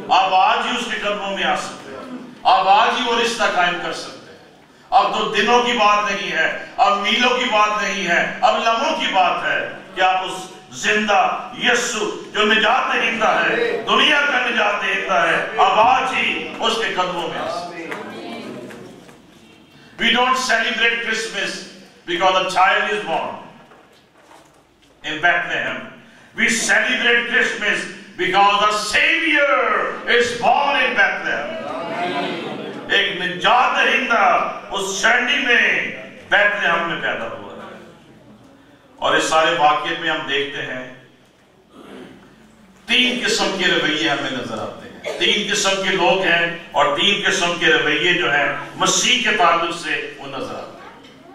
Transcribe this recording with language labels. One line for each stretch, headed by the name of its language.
Urdu: آپ آج ہی اس کے قدموں میں آ سکتے, آپ آج ہی وہ رشتہ قائم کر سکتے. اب تو دنوں کی بات نہیں ہے, اب میلوں کی بات نہیں ہے, اب لمحوں کی بات ہے کہ آپ اس زندہ یسو جو نجات دہندہ ہے, دنیا کا نجات دہندہ ہے, اب آج ہی اس کے قدموں میں.
English: We don't celebrate Christmas because a child is born in Bethlehem. We celebrate Christmas because a savior is born in Bethlehem.
Urdu: ایک نجات دہندہ اس شرنی میں بیتلہم میں پیدا ہوا. اور اس سارے واقعے میں ہم دیکھتے ہیں 3 قسم کے رویے ہمیں نظر آتے ہیں, 3 قسم کے لوگ ہیں, اور 3 قسم کے رویے جو ہیں مسیح کے تعلق سے وہ نظر آتے ہیں.